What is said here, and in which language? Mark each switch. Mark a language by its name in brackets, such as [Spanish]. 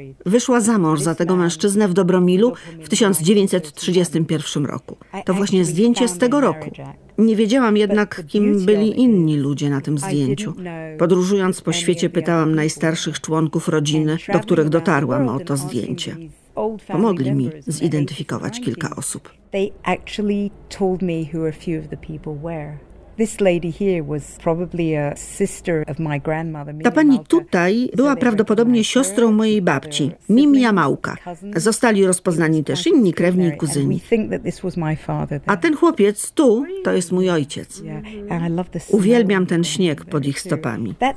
[Polish] Wyszła za mąż za tego mężczyznę w Dobromilu w 1931 roku. To właśnie zdjęcie z tego roku. Nie wiedziałam jednak, kim byli inni ludzie na tym zdjęciu. Podróżując po świecie, pytałam najstarszych członków rodziny, do których dotarłam o to zdjęcie. Pomogli mi zidentyfikować kilka osób. [English] They actually told me who a few of the people were. This lady here was probably a sister of my grandmother. [Polish] Ta pani tutaj była prawdopodobnie siostrą mojej babci, Mimi Jamałka. Zostali rozpoznani też inni krewni i kuzyni. A ten chłopiec tu, to jest mój ojciec. Uwielbiam ten śnieg pod ich stopami.